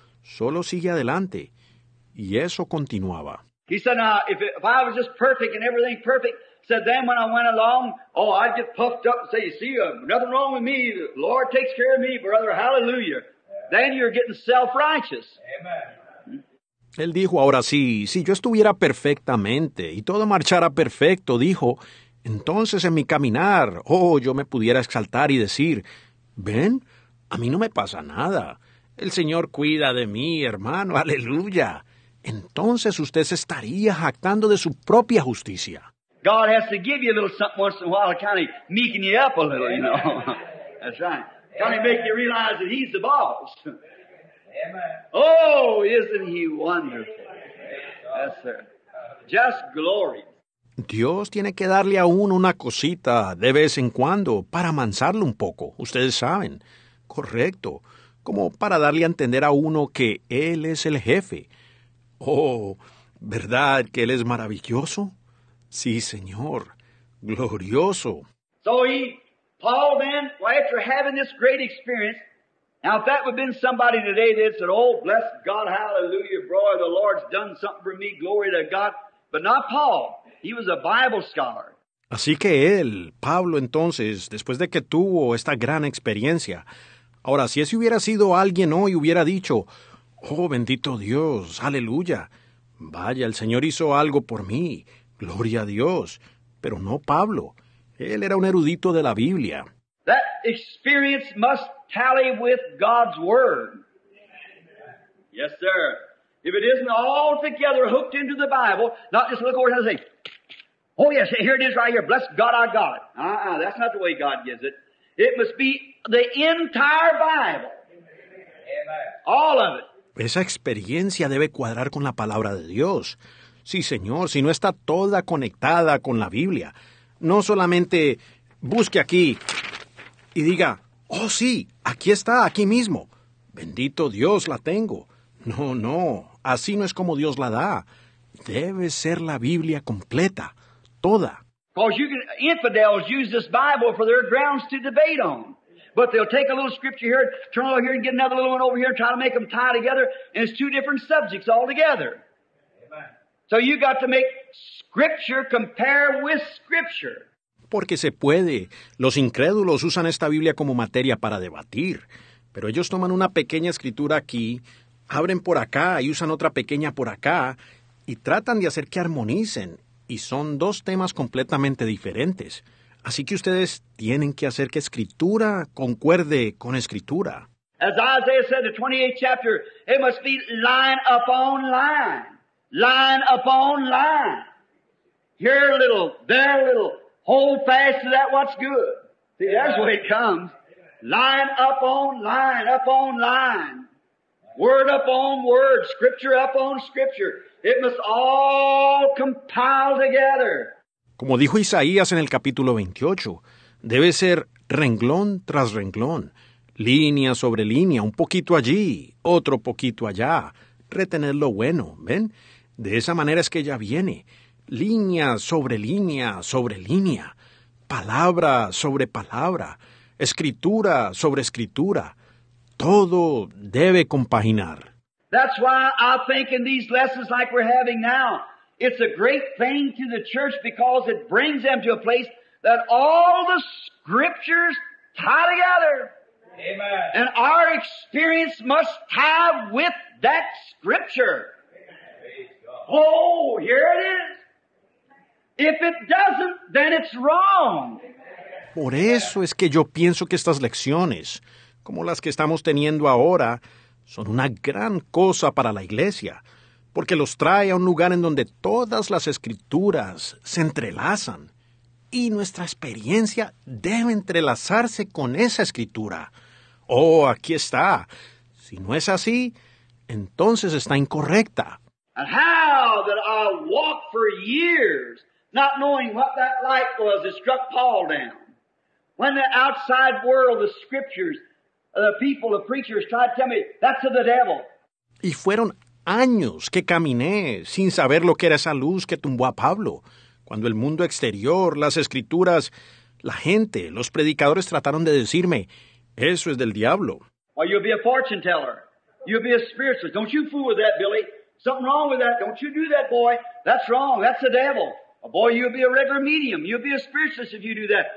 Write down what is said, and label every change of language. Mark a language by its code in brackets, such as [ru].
[es] Solo sigue adelante. Y eso continuaba. [en] He said, now, if I was just perfect and everything perfect, said, then when I went along, oh, I'd get puffed up and say, you see, nothing wrong with me. The Lord takes care of me, brother. Hallelujah. Then you're getting self-righteous. Amen. [es] Él dijo, ahora sí, si yo estuviera perfectamente y todo marchara perfecto, dijo, entonces en mi caminar, oh, yo me pudiera exaltar y decir, ven, a mí no me pasa nada. El Señor cuida de mí, hermano, aleluya. Entonces usted se estaría jactando de su propia justicia. [en] God has to give you a little something once in a while to kind of meeken you up a little, you know. That's right. Can he make you realize that he's the boss? Amen. Oh, isn't he wonderful? Yes, sir. Just glory. [es] Dios tiene que darle a uno una cosita de vez en cuando para amansarlo un poco. Ustedes saben. Correcto. Como para darle a entender a uno que él es el jefe. Oh, ¿verdad que él es maravilloso? Sí, señor. Glorioso. Soy... [en] Paul, then, well, after having this great experience, now, if that would have been somebody today that said, oh, bless God, hallelujah, brother, the Lord's done something for me, glory to God. But not Paul. He was a Bible scholar. [es] Así que él, Pablo, entonces, después de que tuvo esta gran experiencia, ahora, si ese hubiera sido alguien hoy, hubiera dicho, oh, bendito Dios, aleluya, vaya, el Señor hizo algo por mí, gloria a Dios, pero no Pablo. Él era un erudito de la Biblia. [en] That experience must tally with God's word. Yes, sir. If it isn't all together hooked into the Bible, not just look over and say, oh, yes, here it is right here. Bless God, I got it. Uh-uh, that's not the way God gives it. It must be the entire Bible. Amen. All of it. [es] Esa experiencia debe cuadrar con la palabra de Dios. Sí, señor, si no está toda conectada con la Biblia. No solamente busque aquí y diga, Oh, sí, aquí está, aquí mismo. Bendito Dios, la tengo. No, no, así no es como Dios la da. Debe ser la Biblia completa, toda. [en] Because infidels use this Bible for their grounds to debate on. But they'll take a little scripture here, turn over here and get another little one over here, try to make them tie together, and it's two different subjects altogether. Amen. So you got to make scripture compare with scripture. [es] Porque se puede. Los incrédulos usan esta Biblia como materia para debatir. Pero ellos toman una pequeña escritura aquí, abren por acá y usan otra pequeña por acá, y tratan de hacer que armonicen. Y son dos temas completamente diferentes. Así que ustedes tienen que hacer que Escritura concuerde con Escritura. [en] As Isaiah said, the 28th chapter, it must be line upon line. Line upon line. Here a little, there a little. Hold fast to that what's good. See, that's the way it comes. Line upon line, upon line. Word upon word, Scripture upon Scripture. It must all compile together. [es] Como dijo Isaías en el capítulo 28, debe ser renglón tras renglón, línea sobre línea, un poquito allí, otro poquito allá, retener lo bueno, ¿ven? De esa manera es que ella viene, línea sobre línea sobre línea, palabra sobre palabra, escritura sobre escritura, todo debe compaginar. [en] That's why I think in these lessons like we're having now, it's a great thing to the church because it brings them to a place that all the scriptures tie together. Amen. And our experience must tie with that scripture. Amen. Praise God. Oh, here it is. If it doesn't, then it's wrong. [es] Por eso es que yo pienso que estas lecciones, como las que estamos teniendo ahora, son una gran cosa para la iglesia, porque los trae a un lugar en donde todas las escrituras se entrelazan y nuestra experiencia debe entrelazarse con esa escritura. Oh, aquí está. Si no es así, entonces está incorrecta. [en] And how that I walked for years not knowing what that light was that struck Paul down. When the outside world, the scriptures, the people, the preachers tried to tell me, that's of the devil. [es] Y fueron años que caminé sin saber lo que era esa luz que tumbó a Pablo, cuando el mundo exterior, las escrituras, la gente, los predicadores trataron de decirme, eso es del diablo. [en] Well, you'll be a fortune teller. You'll be a spiritualist. Don't you fool with that, Billy. Something wrong with that. Don't you do that, boy. That's wrong. That's the devil. Oh, boy, you'll be a regular medium. You'll be a spiritualist if you do that.